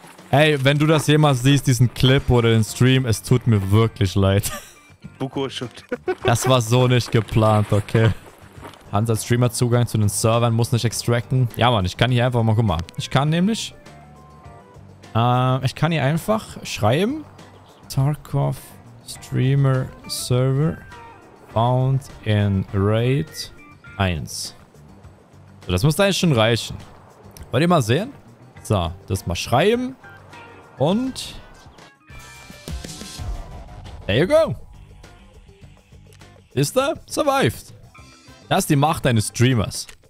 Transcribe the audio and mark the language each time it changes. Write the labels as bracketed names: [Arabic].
[German] Ey, wenn du das jemals siehst, diesen Clip oder den Stream, es tut mir wirklich leid. Buko ist schuld. Das war so nicht geplant, okay. Hans hat Streamer-Zugang zu den Servern, muss nicht extracten. Ja, Mann, ich kann hier einfach mal, guck mal. Ich kann nämlich... ich kann hier einfach schreiben. [English] Tarkov Streamer Server found in Raid 1. [German] So, das muss eigentlich schon reichen. Wollt ihr mal sehen? So, das mal schreiben. Und... [English] There you go. [German] Ist er? [English] Survived. [German] Das ist die Macht eines Streamers.